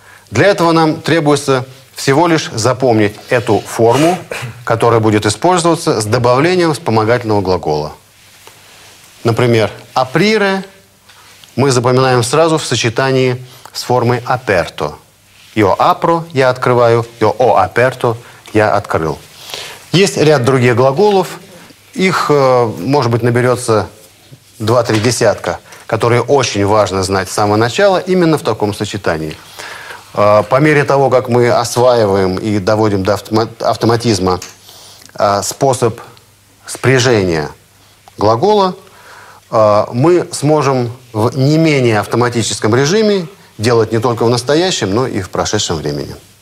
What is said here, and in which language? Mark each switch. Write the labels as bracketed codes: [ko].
[ru] Для этого нам требуется всего лишь запомнить эту форму, которая будет использоваться с добавлением вспомогательного глагола. Например, «aprire» мы запоминаем сразу в сочетании с формой «aperto». [it] «Io apro» – [ru] «я открываю», [it] «io ho aperto» – [ru] «я открыл». Есть ряд других глаголов, их, может быть, наберется 2-3 десятка, которые очень важно знать с самого начала именно в таком сочетании. По мере того, как мы осваиваем и доводим до автоматизма способ спряжения глагола, мы сможем в не менее автоматическом режиме делать не только в настоящем, но и в прошедшем времени.